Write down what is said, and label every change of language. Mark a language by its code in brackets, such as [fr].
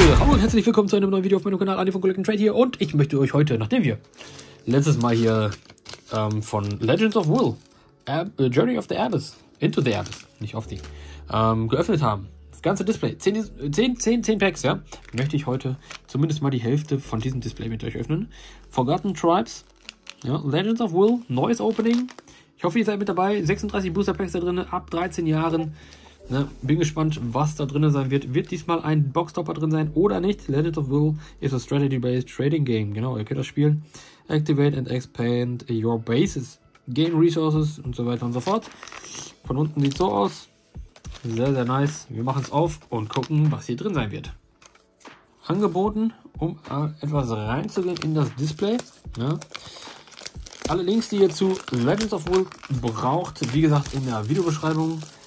[de] Und herzlich willkommen zu einem neuen Video auf meinem Kanal Andi von Collect & Trade hier. Und ich möchte euch heute, nachdem wir letztes Mal hier von Legends of Will, Journey of the Abyss, Into the Abyss, nicht auf die, geöffnet haben, das ganze Display, 10 Packs, ja, möchte ich heute zumindest mal die Hälfte von diesem Display mit euch öffnen. Forgotten Tribes, ja, Legends of Will, neues Opening. Ich hoffe, ihr seid mit dabei. 36 Booster Packs da drin, ab 13 Jahren. Ne, bin gespannt, was da drin sein wird. Wird diesmal ein Boxtopper drin sein oder nicht? [en] Legend of Will is a strategy-based trading game. [de] Genau, ihr könnt das spielen. [en] Activate and expand your bases. Gain resources [de] und so weiter und so fort. Von unten sieht es so aus. Sehr, sehr nice. Wir machen es auf und gucken, was hier drin sein wird. Angeboten, um etwas reinzugehen in das Display. Ja. Alle Links, die ihr zu Legends of Will braucht, wie gesagt, in der Videobeschreibung.